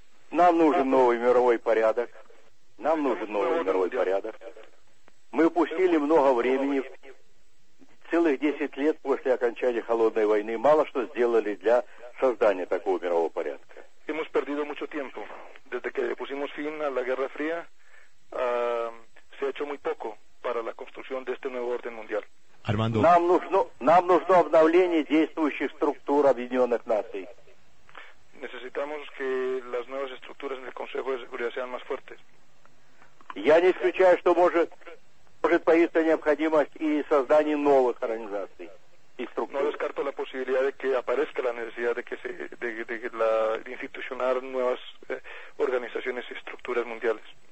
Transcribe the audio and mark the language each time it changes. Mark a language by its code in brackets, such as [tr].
[ru] Нам нужен новый мировой порядок. Нам нужен новый мировой порядок. Мы упустили много времени, целых 10 лет после окончания холодной войны, мало что сделали для создания такого мирового порядка. [es] Hemos perdido mucho tiempo desde que pusimos fin a la Guerra Fría. Se ha hecho muy poco para la construcción de este nuevo orden mundial. Armando. [ru] Нам нужно обновление действующих структур Объединенных Наций. [es] Necesitamos que las nuevas estructuras en el Consejo de Seguridad sean más fuertes. [ru] Я не исключаю, что может появиться необходимость и создание новых организаций и структур. [es] No descarto la posibilidad de que aparezca la necesidad de que se de institucionar nuevas organizaciones y estructuras mundiales.